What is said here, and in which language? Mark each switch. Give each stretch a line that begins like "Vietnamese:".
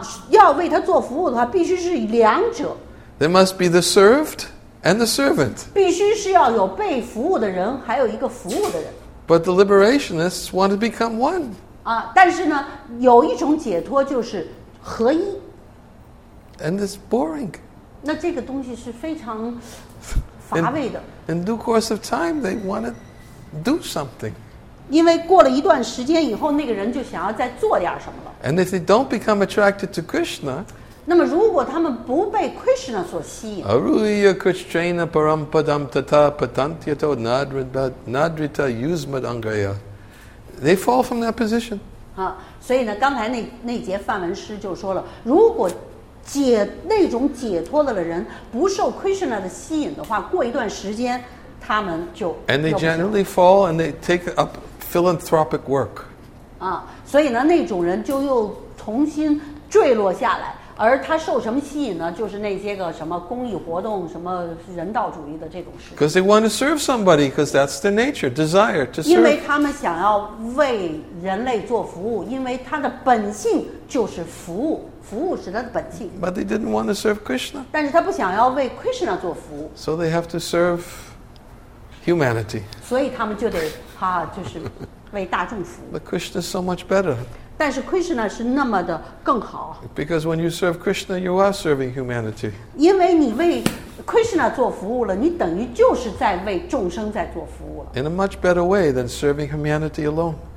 Chinese: 要为他做服务的话，必须是两者。
English: There must be the served and the servant.
Chinese: 必须是要有被服务的人，还有一个服务的人。
English: But the liberationists want to become one.
Chinese: 但是呢，有一种解脱就是合一。
English: And it's boring.
Chinese: 那这个东西是非常乏味的。
English: In due course of time, they want to do something.
Chinese: 因为过了一段时间以后，那个人就想要再做点什么了。
English: And if they don't become attracted to Krishna,
Chinese: 那么如果他们不被 Krishna 所吸引
Sanskrit: Aruya Krishna Parampadam Tata Patantyato Nadrita Yuzmad Angaya,
English: they fall from that position.
Chinese: 所以呢，刚才那节梵文诗就说了，如果那种解脱了的人不受 Krishna 的吸引的话，过一段时间他们就
English: And they generally fall and they take up philanthropic work.
Chinese: 所以呢，那种人就又重新坠落下来，而他受什么吸引呢？就是那些个什么公益活动，什么人道主义的这种事。
English: Because they want to serve somebody, because that's their nature, desire to serve.
Chinese: 因为他们想要为人类做服务，因为他的本性就是服务，服务是他的本性。
English: But they didn't want to serve Krishna.
Chinese: 但是他不想要为 Krishna 做服务。
English: So they have to serve humanity.
Chinese: 所以他们就得就是为大众服务。
English: But Krishna is so much better.
Chinese: 但是 Krishna 是那么的更好。
English: Because when you serve Krishna, you are serving humanity.
Chinese: 因为你为 Krishna 做服务了，你等于就是在为众生在做服务了。
English: In a much better way than serving humanity alone.